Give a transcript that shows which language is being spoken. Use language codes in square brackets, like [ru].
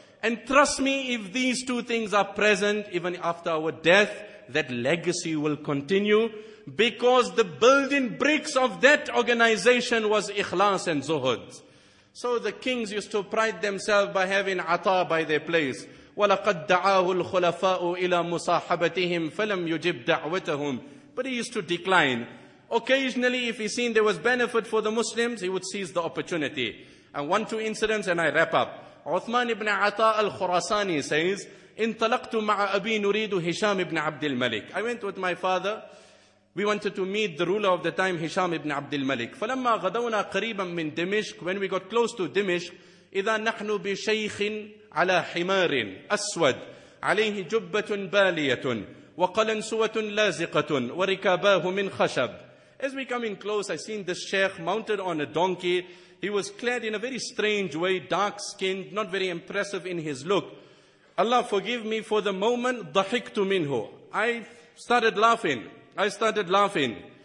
[en] And trust me, if these two things are present, even after our death, that legacy will continue, because the building bricks of that organization was ikhlas and zuhud. So the kings used to pride themselves by having ata by their place. [ar] وَلَقَدْ دَعَاهُ الْخُلَفَاءُ إِلَى مُصَاحَبَتِهِمْ فَلَمْ يُجِبْ دَعْوَتَهُمْ. [en] But he used to decline. Occasionally, if he seen there was benefit for the Muslims, he would seize the opportunity. And one, two incidents, and I wrap up. Uthman ibn Ata al-Khurasani says, [ar] "Intalaqtu ma'a abi nuridu Hisham ibn Abdul Malik." [en] I went with my father. We wanted to meet the ruler of the time, Hisham ibn Abdul Malik. [ar] فَلَمَّا غَدَوْنَا قَرِيبًا مِنْ دِمِشْكِ. [en] When we got close to Dimishq, [ar] إِذَا نَحْنُ بِشَيْخٍ عَلَى حِمَارٍ أَسْوَدٍ عَلَيْهِ جُبَّةٌ بَالِيَةٌ وَقَلَنْسُوَةٌ لَازِقَةٌ وَرِكَابَاهُ مِنْ خَشَبٍ. [en] As we come in close, I seen this sheikh mounted on a donkey. He was clad in a very strange way, dark-skinned, not very impressive in his look. Allah forgive me, for the moment, [ar] ضَحِكْتُ مِنْهُ. [en] I started laughing.